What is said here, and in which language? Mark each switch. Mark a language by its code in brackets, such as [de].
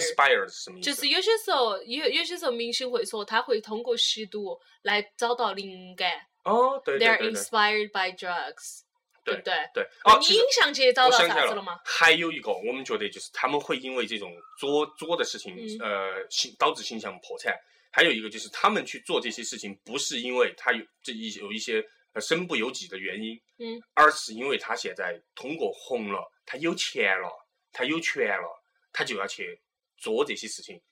[zh] inspired 是什么意思？就是有些时候，有些时候明星会说，他会通过吸毒来找到灵感。哦，对 [en] ，they are inspired by drugs。 [zh] 对对对，你影响接到啥子了吗？还有一个，我们觉得就是他们会因为这种作的事情，导致形象破产。还有一个就是他们去做这些事情，不是因为他有一些身不由己的原因，而是因为他现在通过红了，他有钱了，他有权了，他就要去做这些事情。